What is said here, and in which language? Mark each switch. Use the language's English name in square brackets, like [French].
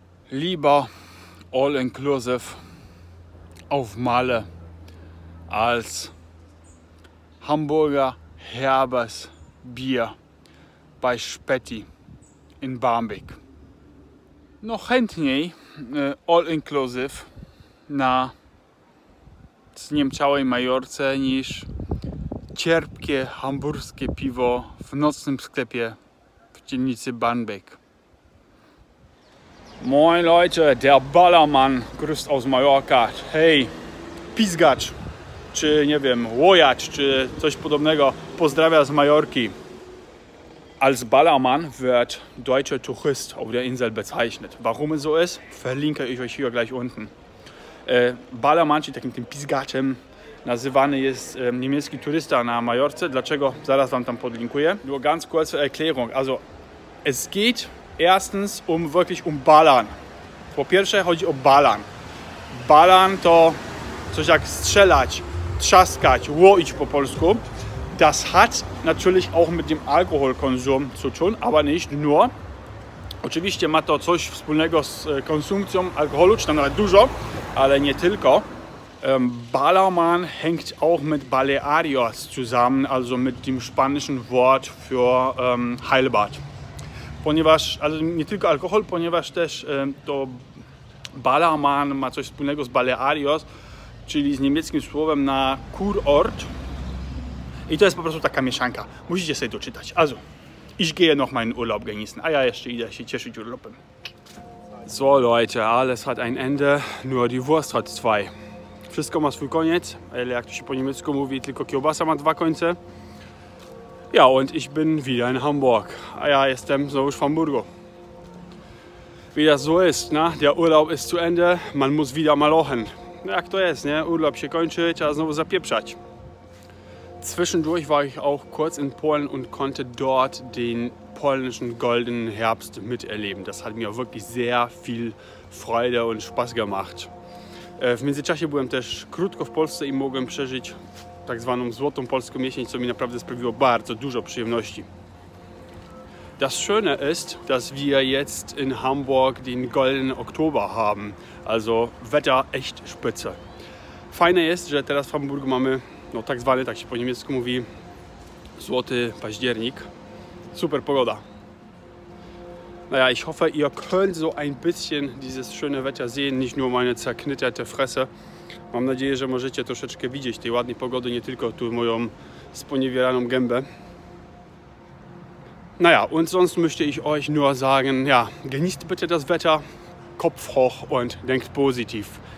[German] Lieber all inclusive auf Malle als Hamburger herbes Bier bei Spetti in Barmbek. [Polish] Noch chętniej all inclusive na zniemczałej Majorce niż cierpkie hamburskie piwo w nocnym sklepie w dzielnicy Barmbek. [German] Moin Leute, der Ballermann grüßt aus Mallorca. [Polish] Hey, Pizgacz, czy nie wiem, Łojacz, czy coś podobnego, pozdrawia z Majorki. [German] Als Ballermann wird deutscher Tourist auf der Insel bezeichnet. Warum es so ist, verlinke ich euch hier gleich unten. [Polish] Ballermann, czyli takim tym Pizgaczem, nazywany jest niemiecki turysta na Majorce. Dlaczego? Zaraz wam tam podlinkuję. [German] Nur ganz kurze Erklärung. Also, es geht erstens wirklich um Ballern. [Polish] Po pierwsze chodzi o Ballern. Ballern to coś jak strzelać, trzaskać, łoić po polsku. [German] Das hat natürlich auch mit dem Alkoholkonsum zu tun, aber nicht nur. [Polish] Oczywiście ma to coś wspólnego z konsumpcją alkoholu, czy tam nawet dużo, ale nie tylko. [German] Ballermann hängt auch mit Balearios zusammen, also mit dem spanischen Wort für Heilbad. [Polish] Ponieważ, also nie tylko alkohol, ponieważ też to Ballermann ma coś wspólnego z Balearios, czyli z niemieckim słowem na kurort. I to jest po prostu taka mieszanka. Musicie sobie to czytać. [German] Also, ich gehe noch meinen Urlaub genießen. [Polish] A ja jeszcze idę się cieszyć urlopem. [German] So Leute, alles hat ein Ende, nur die Wurst hat zwei. [Polish] Wszystko ma swój koniec, ale jak to się po niemiecku mówi, tylko kiełbasa ma dwa końce. [German] Ja, und ich bin wieder in Hamburg. A ja jestem znowuż w Hamburgu. Wie das so ist, ne? Der Urlaub ist zu Ende, man muss wieder malochen. [Polish] Jak to jest, nie? Urlaub się kończy, trzeba znowu zapieprzać. [German] Zwischendurch war ich auch kurz in Polen und konnte dort den polnischen goldenen Herbst miterleben. Das hat mir wirklich sehr viel Freude und Spaß gemacht. [Polish] W międzyczasie byłem też krótko w Polsce i mogłem przeżyć tak zwaną złotą polską jesień, co mi naprawdę sprawiło bardzo dużo przyjemności. [German] Das Schöne ist, dass wir jetzt in Hamburg den goldenen Oktober haben. Also Wetter echt spitze. [Polish] Fajne jest, że teraz w Hamburgu mamy no tak zwany, tak się po niemiecku mówi, złoty październik. Super pogoda. [German] Naja, ich hoffe, ihr könnt so ein bisschen dieses schöne Wetter sehen, nicht nur meine zerknitterte Fresse. [Polish] Mam nadzieję, że możecie troszeczkę widzieć tej ładnej pogody, nie tylko tu moją sponiewieraną gębę. [German] Naja, und sonst möchte ich euch nur sagen, ja, genießt bitte das Wetter, Kopf hoch und denkt positiv.